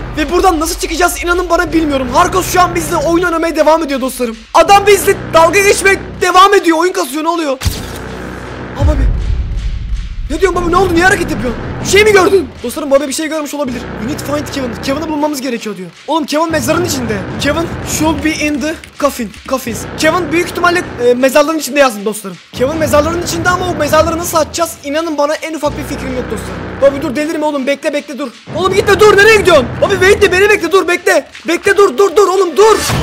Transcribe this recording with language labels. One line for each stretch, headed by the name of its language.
Turkish: Ve buradan nasıl çıkacağız inanın bana bilmiyorum. Arkos şu an bizle oyun oynamaya devam ediyor dostlarım. Adam bizle dalga geçmeye devam ediyor. Oyun kasıyor, ne oluyor? Ama bir. Ne diyorsun baba, ne oldu, niye hareket yapıyorsun? Bir şey mi gördün? Dostlarım, baba bir şey görmüş olabilir.
English: We need to find Kevin.
Turkish: Kevin'i bulmamız gerekiyor diyor. Oğlum, Kevin mezarın içinde.
English: Kevin should be in the coffin. Coffins.
Turkish: Kevin büyük ihtimalle mezarların içinde yazdım dostlarım. Kevin mezarların içinde ama o mezarları nasıl açacağız? İnanın bana en ufak bir fikrim yok dostlarım. Baba dur, delirme oğlum, bekle bekle dur. Oğlum gitme dur, nereye gidiyorsun? Baba bekle, beni bekle, dur bekle. Bekle dur, dur dur oğlum dur.